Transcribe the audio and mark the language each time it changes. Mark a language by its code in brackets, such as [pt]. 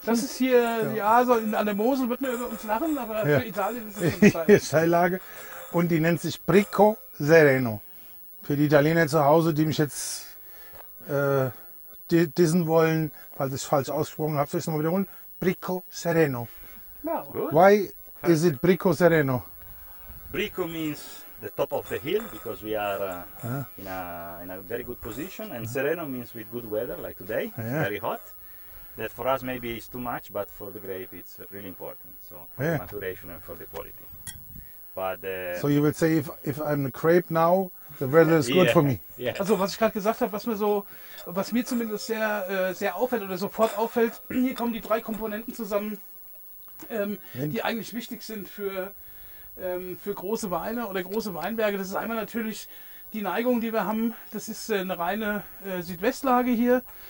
[de] Das ist hier, so an der Mosel wird man über uns lachen, aber für Italien ist das schon Steillage. Und die nennt sich Brico Sereno. Für die Italiener zu Hause, die mich jetzt dissen wollen, falls ich es falsch ausgesprochen habe, soll ich es nochmal wiederholen. Brico Sereno. Wow. [en] Why is it Brico Sereno? Brico means the top of the hill because we are in a very good position, and Sereno means with good weather like today, very hot. That for us maybe is too much, but for the grape it's really important. So for the maturation and for the quality. But so you would say if I'm a grape now, the weather is good for me. Yeah. [de] Also was ich gerade gesagt habe, was mir zumindest sehr auffällt oder sofort auffällt, hier kommen die drei Komponenten zusammen, die eigentlich wichtig sind für große Weine oder große Weinberge. Das ist einmal natürlich die Neigung, die wir haben. Das ist eine reine Südwestlage hier.